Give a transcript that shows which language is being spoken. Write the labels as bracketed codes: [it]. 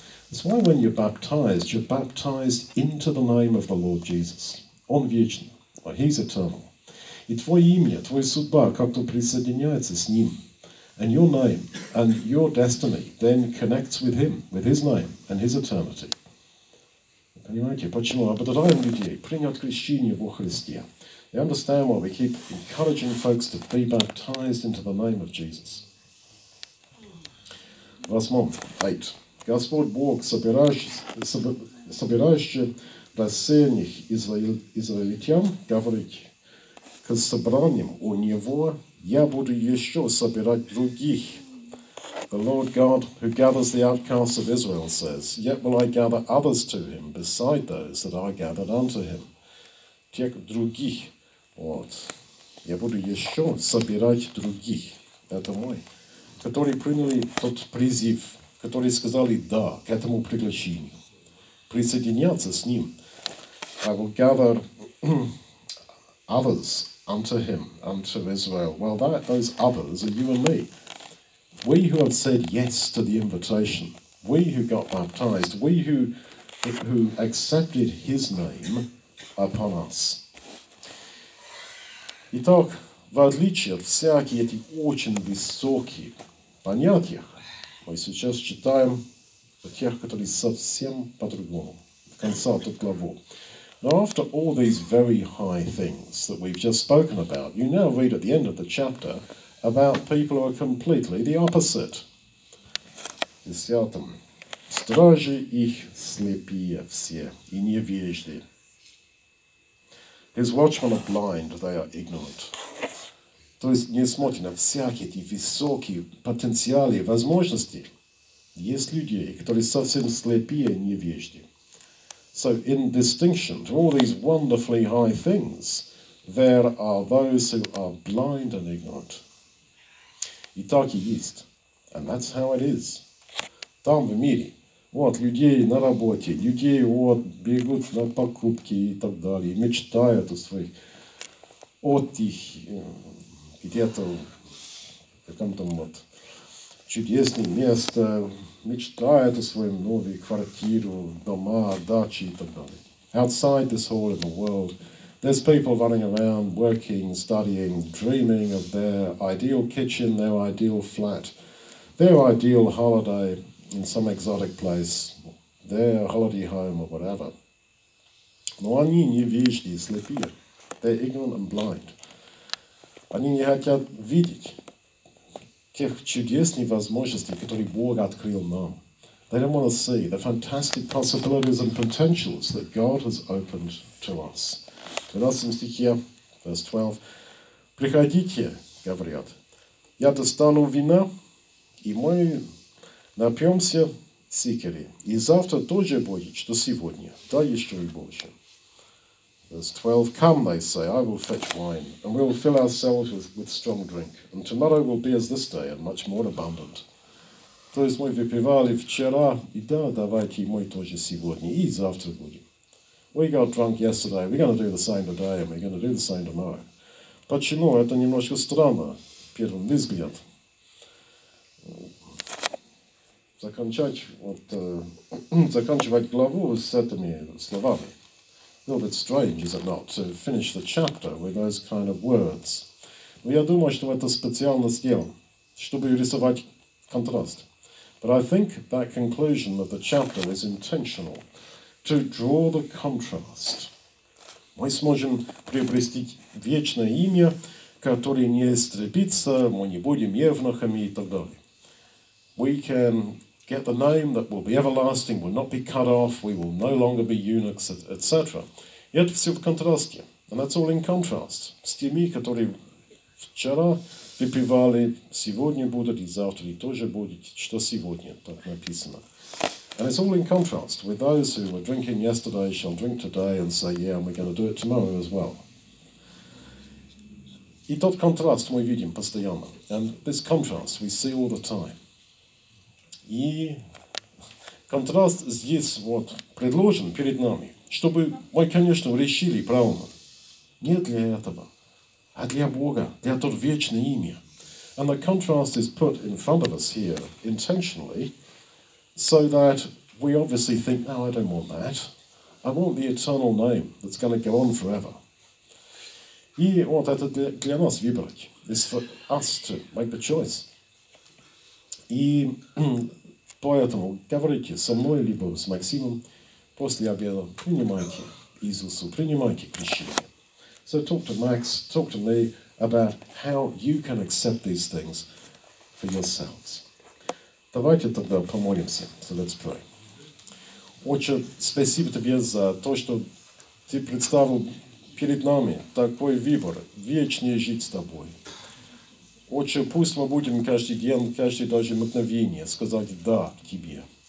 [en] That's why when you're baptized into the name of the Lord Jesus. [ru] Он вечен. [en] He's eternal. [ru] И твое имя, твоя судьба как-то присоединяется с Ним. [en] And your name and your destiny then connects with Him, with His name and His eternity. [ru] Понимаете, почему? Ободряем людей принять крещение во Христе. [en] You understand why we keep encouraging folks to be baptized into the name of Jesus. [ru] Восьмом, 8. Господь Бог, собирающий бассейн израильтян, говорить собранием у него, я буду еще собирать других. [en] The Lord God who gathers the outcasts of Israel says, yet will I gather others to him beside those that are gathered unto him. [ru] Тех других. Вот. Я буду еще собирать других. Это мой. Которые приняли тот призыв, которые сказали «да» к этому приглашению. Присоединяться с ним. [en] I will gather others unto him, unto Israel. Well, that, those others are you and me. We who have said yes to the invitation, we who got baptized, we who accepted his name upon us. [ru] Итак, в отличие от всяких этих очень высоких понятий, мы сейчас читаем о тех, которые совсем по-другому, в конце эту главу. [en] Now, after all these very high things that we've just spoken about, you now read at the end of the chapter about people who are completely the opposite. [ru] Десятым. Стражи их слепые все и невежды. [en] His watchmen are blind, they are ignorant. [ru] То есть, несмотря на всякие эти высокие потенциалы, возможности, есть люди, которые совсем слепые и невежды. [en] So, in distinction to all these wonderfully high things, there are those who are blind and ignorant. [ru] И так и есть. [en] And that's how it is. [ru] Там в мире. Вот, людей на работе, людей вот бегут на покупки и так далее, мечтают о своих отдых, где-то в каком-то вот чудесном месте, мечтают о своем новой квартире, дома, даче и так далее. [en] Outside this hall in the world, there's people running around, working, studying, dreaming of their ideal kitchen, their ideal flat, their ideal holiday in some exotic place, their holiday home or whatever. [ru] Но они невежды и слепые. [en] They're ignorant and blind. [ru] Они не хотят видеть тех чудесных возможностей, которые Бог открыл нам. [en] They don't want to see the fantastic possibilities and potentials that God has opened to us. [ru] В 12 стихе, [en] verse 12, [ru] «Приходите, — говорят, — я достану вина, и мы напьемся сикери, и завтра тоже будет, что сегодня, да еще и больше». [en] Verse 12, come, they say, I will fetch wine, and we will fill ourselves with strong drink, and tomorrow will be as this day, and much more abundant. [ru] То есть мы выпивали вчера, и да, давайте мы тоже сегодня, и завтра будем. [en] We got drunk yesterday, we're going to do the same today, and we're going to do the same tomorrow. [ru] Почему? Это немножко странно, первым взгляд. Заканчивать главу с этими словами. [en] A little bit strange, is it not, to finish the chapter with those kind of words? [ru] Но я думаю, что это специально сделано, чтобы рисовать контраст. [en] But I think that conclusion of the chapter is intentional, to draw the contrast. [ru] Мы сможем приобрести вечное имя, которое не истребится, мы не будем евнухами и так далее. [en] We can get the name that will be everlasting, will not be cut off, we will no longer be eunuchs, etc. [ru] И это все в контрасте. [en] And that's all in contrast. [ru] С теми, которые вчера выпивали, сегодня будут, и завтра и тоже будет, что сегодня, так написано. [en] And it's all in contrast with those who were drinking yesterday, shall drink today, and say, yeah, and we're going to do it tomorrow as well. [ru] И тот контраст мы видим постоянно. [en] And this contrast we see all the time. [ru] И контраст здесь вот предложен перед нами, чтобы мы, конечно, решили правильно. Не для этого, а для Бога, для того вечное имя. [en] And the contrast is put in front of us here intentionally, so that we obviously think, no, I don't want that. I want the eternal name that's going to go on forever. [ru] И вот это для нас выбрать. [en] It's for us to make the choice. [ru] И поэтому говорите со мной, либо с Максимом, после обеда принимайте Иисусу, принимайте крещение. [en] So talk to Max, talk to me about how you can accept these things for yourselves. [ru] Давайте тогда помолимся. [en] So let's pray. [ru] Отче, спасибо тебе за то, что ты представил перед нами такой выбор, вечнее жить с тобой. Отче, пусть мы будем каждый день, каждый даже мгновение сказать «да» тебе.